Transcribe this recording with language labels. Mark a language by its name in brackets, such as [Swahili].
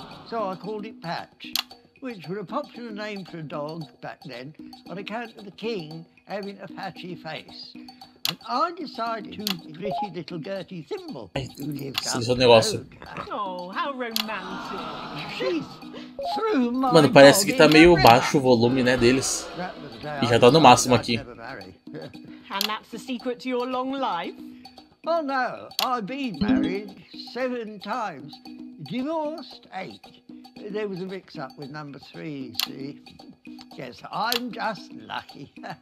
[English] So I called it Patch, which were a popular name for a dog back then on account of the king having a patchy face. And I decided to gritty little Gertie Thimble, who lived up the road. Oh, how romantic. She threw my... [Portuguese] Mano, parece que tá meio baixo o volume, né, deles. E já tá no máximo aqui. [English] And that's the secret to your long life? Oh, no. I've been married 7 times. Divorced 8. There was a mix-up with number 3, see? Yes, I'm just lucky.